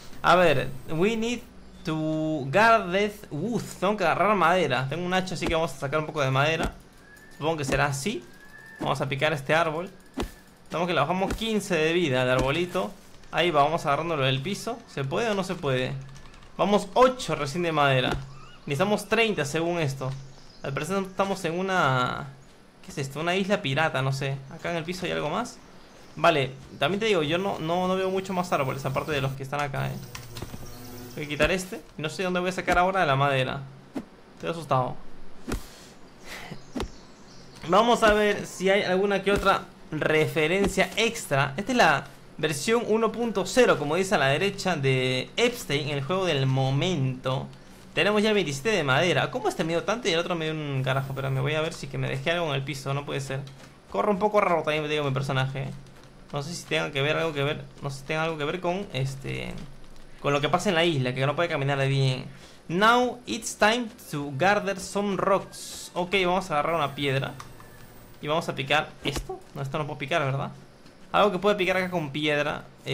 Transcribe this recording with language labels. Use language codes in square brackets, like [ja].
[es] A ver, [en] we need to guard this wood. [es] Tengo que agarrar madera. Tengo un hacha, así que vamos a sacar un poco de madera. Supongo que será así. Vamos a picar este árbol. Tenemos que le bajamos 15 de vida al arbolito. Ahí va, vamos agarrándolo del piso. ¿Se puede o no se puede? Vamos 8 recién de madera. Necesitamos 30 según esto. Al parecer estamos en una. ¿Qué es esto? Una isla pirata, no sé. Acá en el piso hay algo más. Vale, también te digo, yo no veo mucho más árboles aparte de los que están acá, eh. Voy a quitar este. No sé dónde voy a sacar ahora la madera. Estoy asustado. Vamos a ver si hay alguna que otra referencia extra. Esta es la versión 1.0, como dice a la derecha, de Epstein, el juego del momento. Tenemos ya 27 de madera. ¿Cómo este me dio tanto y el otro me dio un carajo? Pero me voy a ver si que me dejé algo en el piso. No puede ser. Corro un poco raro también, me digo, mi personaje. No sé si tenga que ver algo que ver. No sé si tenga algo que ver con con lo que pasa en la isla, que no puede caminar bien. [en] Now it's time to gather some rocks. [es] Ok, vamos a agarrar una piedra. Y vamos a picar esto. No, esto no puedo picar, ¿verdad? Algo que puede picar acá con piedra.